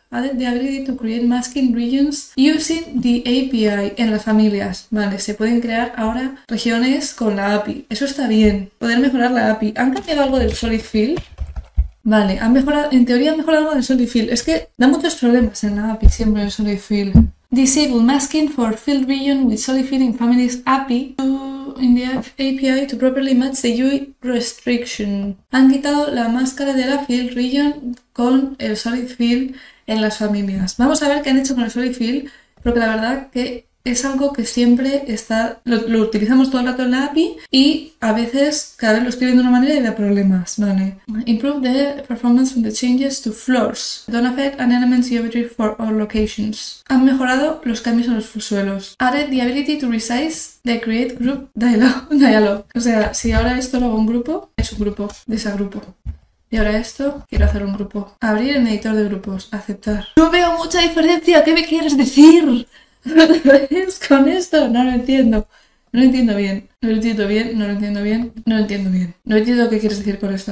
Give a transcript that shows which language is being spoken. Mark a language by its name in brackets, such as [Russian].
[English] Added the ability to create masking regions using the API [Spanish] en las familias. Vale, se pueden crear ahora regiones con la API. Eso está bien. Poder mejorar la API. ¿Han cambiado algo del solid fill? Vale, han mejorado, en teoría han mejorado algo del solid fill. Es que da muchos problemas en la API siempre el solid fill. [English] Disable masking for field region with solid fill in families API in the API to properly match the UI restriction. [Spanish] Han quitado la máscara de la field region con el solid fill en las familias. Vamos a ver qué han hecho con el solid fill, porque la verdad que es algo que siempre está, lo utilizamos todo el rato en la API y a veces cada vez lo escriben de una manera y da problemas, ¿vale? [English] Improve the performance from the changes to floors. Don't affect an element geometry for all locations. [Spanish] Han mejorado los cambios en los suelos. [English] Added the ability to resize the create group dialog. [Spanish] O sea, si ahora esto lo hago en grupo, es un grupo, desagrupo. Y ahora esto, quiero hacer un grupo. Abrir el editor de grupos, aceptar. No veo mucha diferencia, ¿qué me quieres decir? ¿Es con esto? No lo entiendo. No lo entiendo bien. No lo entiendo bien. No lo entiendo bien. No lo entiendo bien. No entiendo qué quieres decir con esto.